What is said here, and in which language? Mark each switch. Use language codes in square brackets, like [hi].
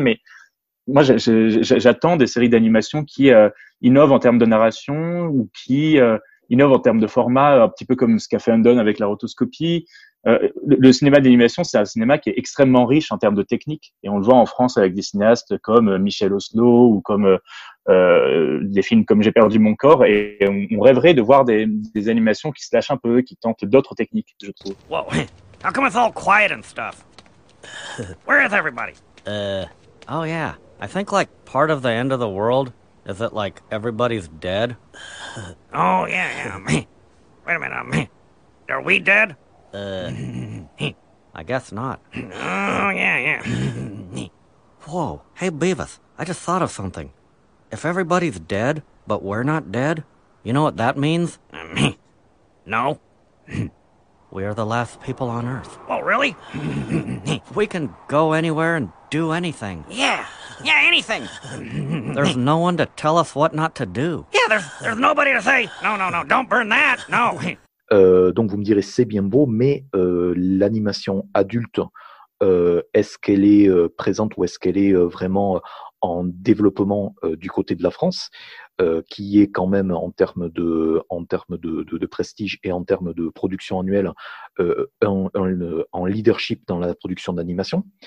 [fr] Mais moi, j'attends des séries d'animation qui innovent en termes de narration ou qui innovent en termes de format, un petit peu comme ce qu'a fait Undone avec la rotoscopie. Le cinéma d'animation, c'est un cinéma qui est extrêmement riche en termes de technique. Et on le voit en France avec des cinéastes comme Michel Oslo ou comme des films comme J'ai perdu mon corps. Et on rêverait de voir des animations qui se lâchent un peu, qui tentent d'autres techniques, je trouve. [en] Whoa, how come it's all quiet and stuff? Where is everybody? Oh yeah, I think like part of the end of the world is that like everybody's dead. Oh yeah, yeah. Wait a minute, are we dead? I guess not. Oh, yeah. Whoa, hey Beavis, I just thought of something. If everybody's dead, but we're not dead, you know what that means? No. We're the last people on Earth. Oh, really? We can go anywhere and do anything. Yeah, anything. There's no one to tell us what not to do. Yeah, there's nobody to say, no, don't burn that, no. [fr] Donc vous me direz c'est bien beau, mais l'animation adulte, est-ce qu'elle est présente ou est-ce qu'elle est vraiment en développement du côté de la France, qui est quand même en termes de prestige et en termes de production annuelle en leadership dans la production d'animation.